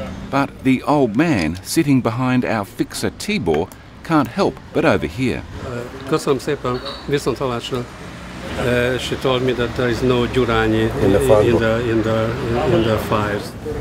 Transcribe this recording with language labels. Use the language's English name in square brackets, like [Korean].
[English] But the old man sitting behind our fixer Tibor can't help but overhear. [Hungarian] Köszönöm szépen, viszont hallásra. [English] She told me that there is no Durrani in the files.